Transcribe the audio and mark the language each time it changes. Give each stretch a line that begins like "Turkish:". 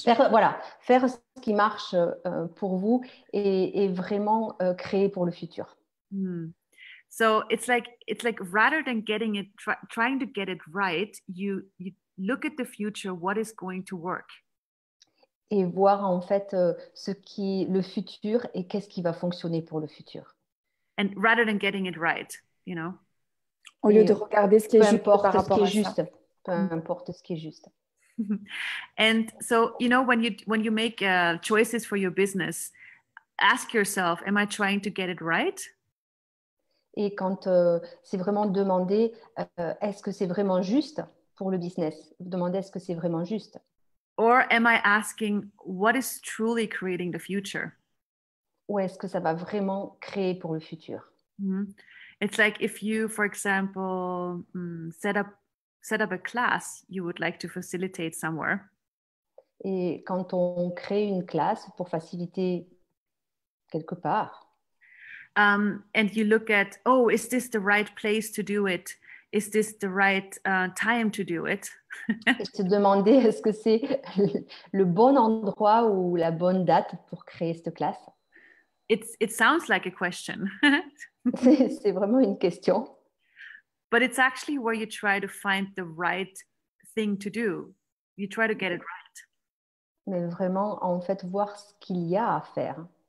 French: Faire ce qui marche pour vous et vraiment créer pour le futur.
English: So it's like rather than getting it, trying to get it right, you look at the future, what is going to work.
French: Et voir en fait ce qui le futur et qu'est-ce qui va fonctionner pour le futur.
English: And rather than getting it right, you know.
French: Au lieu de regarder ce qui est juste par rapport à ça. Peu importe ce qui est juste.
English: And so you know when you make choices for your business, ask yourself, am I trying to get it right?
French: Et quand c'est vraiment demander, est-ce que c'est vraiment juste pour le business? Demander est-ce que c'est vraiment juste?
English: Or am I asking what is truly creating the future?
French: Ou est-ce que ça va vraiment créer pour le futur?
English: It's like if you, for example, set up a class you would like to facilitate somewhere.
French: Et quand on crée une classe pour faciliter quelque part.
English: And you look at, oh, is this the right place to do it? Is this the right time to do it?
French: Et te demander est-ce que c'est le bon endroit ou la bonne date pour créer cette classe?
English: It sounds like a question.
French: C'est vraiment une question.
English: But it's actually where you try to find the right thing to do. You try to get it right.
French: Mais vraiment, en fait, voir ce qu'il y a à faire.